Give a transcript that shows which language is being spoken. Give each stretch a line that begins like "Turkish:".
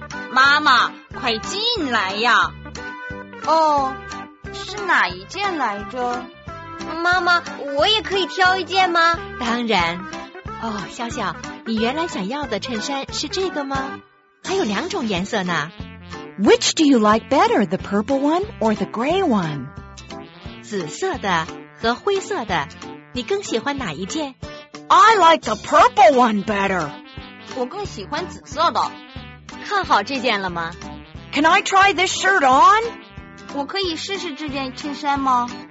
Chinese: 妈妈，快进来呀。哦，是哪一件来着？妈妈，我也可以挑一件吗？当然。哦，笑笑，你原来想要的衬衫是这个吗？还有两种颜色呢。
English: Which do you like better, the purple one or the gray one?
Chinese: 紫色的和灰色的，你更喜欢哪一件？
English: I like the purple one better.
Chinese: 我更喜欢紫色的。看好这件了吗？
English: Can I try this shirt on?
Chinese: 我可以试试这件衬衫吗？